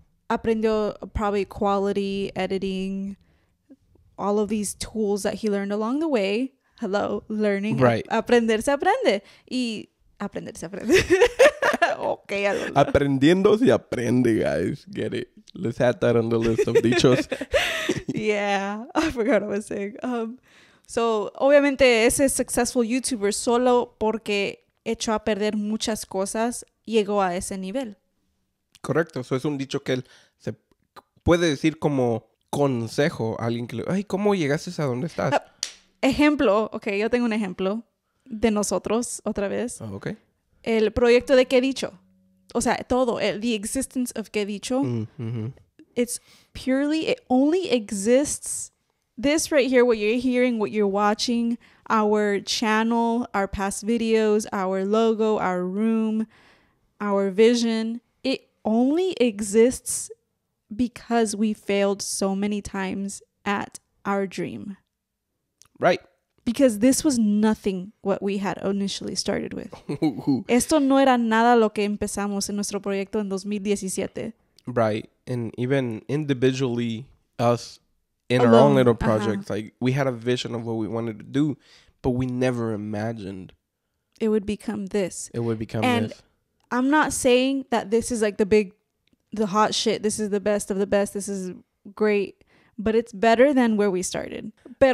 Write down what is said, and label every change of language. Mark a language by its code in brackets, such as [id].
[es] Aprendió [en] probably quality, editing, all of these tools that he learned along the way. Hello, learning. Right. [es] Aprender se aprende. Y aprender se aprende. Okay, aprendiendo se aprende, [en] guys. Get it. Let's add that on the list of dichos. Yeah, I forgot what I was saying. [es] So, obviamente, ese [en] successful YouTuber [es] solo porque echó a perder muchas cosas, llegó a ese nivel. Correcto. Eso es un dicho que él se puede decir como consejo a alguien que le... Ay, ¿cómo llegaste a donde estás? Ejemplo. Ok, yo tengo un ejemplo de nosotros otra vez. [en] Oh, ok. [es] El proyecto de KEDICHO. O sea, todo. [en] The existence of KEDICHO. [es] Mm-hmm. [en] It's purely... It only exists... This right here, what you're hearing, what you're watching, our channel, our past videos, our logo, our room, our vision, it only exists because we failed so many times at our dream. Right. Because this was nothing what we had initially started with. [es] Esto no era nada lo que empezamos en nuestro proyecto en 2017. [en] Right. And even individually, us... In our own little projects, uh-huh. like, we had a vision of what we wanted to do, but we never imagined. It would become this. It would become and this. I'm not saying that this is, like, the hot shit. This is the best of the best. This is great. But it's better than where we started. But